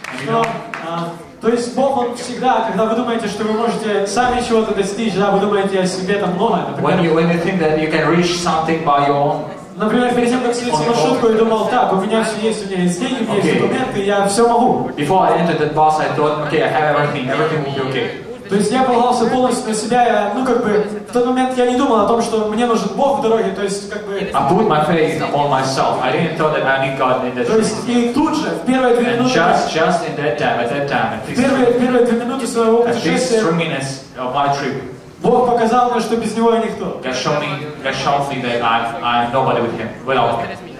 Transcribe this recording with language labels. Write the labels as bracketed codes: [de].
[ru] Oh, то есть Бог, Он всегда, когда вы думаете, что вы можете сами чего-то достичь, да, вы думаете о себе там много, например. [en] When you think that you can reach something by your own. [ru] Например, перед тем, как сидеть в маршрутку, я думал, так, у меня все есть, у меня есть деньги, у меня есть документы, я все могу. [en] Before I entered that bus, I thought, okay, I have everything will be okay. [ru] То есть я полагался полностью на себя, я, в тот момент я не думал о том, что мне нужен Бог в дороге, то есть, [en] I put my faith upon myself. I didn't thought that I need God in that. [ru] То есть, и тут же, в первые две минуты... [en] And just in that time, at that time. [ru] В первые две минуты своего путешествия... [en] At this 3 minutes of my trip. [ru] Бог показал мне, что без Него я никто. [en] God showed me that I'm nobody with Him, without Him.